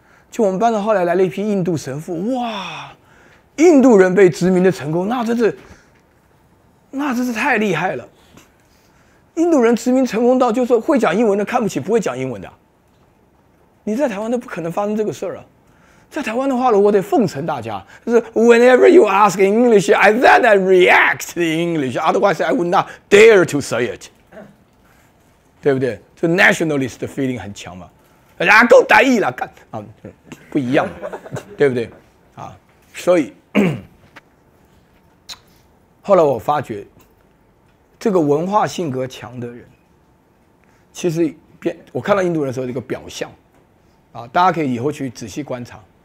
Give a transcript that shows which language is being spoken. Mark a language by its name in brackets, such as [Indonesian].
[Chinese] 就我们班上后来来了一批印度神父，哇，印度人被殖民的成功，那真是太厉害了。印度人殖民成功到就是会讲英文的看不起不会讲英文的，你在台湾都不可能发生这个事儿啊。在台湾的话呢，我得奉承大家，就是 [English] whenever you ask in English, I then react in English, otherwise I would not dare to say it. [Chinese] 对不对？就 nationalist 的 feeling 很强嘛。啊，够台语了，干啊，不一样，对不对？啊，所以后来我发觉，这个文化性格强的人，其实我看到印度人的时候这个表象，啊，大家可以以后去仔细观察。